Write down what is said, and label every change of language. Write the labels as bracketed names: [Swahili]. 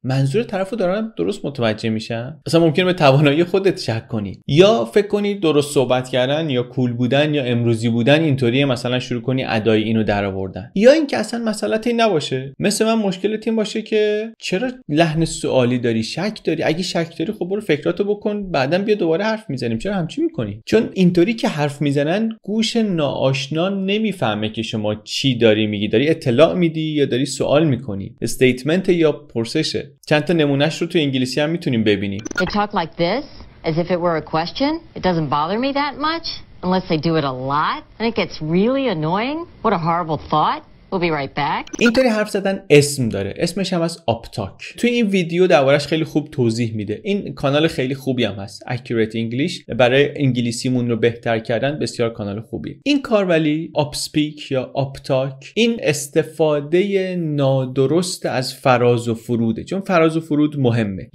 [Persian] منظور طرفو دارم درست متوجه میشم؟ مثلا ممکنه به توانایی خودت شک کنی یا فکر کنی درست صحبت کردن یا کول بودن یا امروزی بودن اینطوریه، مثلا شروع کنی ادای اینو درآوردن، یا اینکه اصلا مسئلت این نباشه، مثل من مشکلت این باشه که چرا لحن سوالی داری، شک داری؟ اگه شک داری خب برو فکراتو بکن، بعدم بیا دوباره حرف میزنیم. چرا همچی میکنی؟ چون اینطوری که حرف میزنن گوش ناآشنا نمیفهمه که شما چی داری میگی، داری اطلاع میدی یا داری سوال میکنی، استیتمنت یا پرسشه. چند تا نمونهش رو تو انگلیسی هم میتونیم ببینیم. [English] They talk like this as if it were a question. It doesn't bother me that much unless they do it a lot and it gets really annoying. What a horrible thought. [Persian] اینطوری حرف زدن اسم داره، اسمش هم از آپتاک. توی این ویدیو دربارش خیلی خوب توضیح میده. این کانال خیلی خوبی هم هست، Accurate English، برای انگلیسیمون رو بهتر کردن بسیار کانال خوبی. این کار ولی آپسپیک یا آپتاک، این استفاده نادرست از فراز و فروده، چون فراز و فرود مهمه.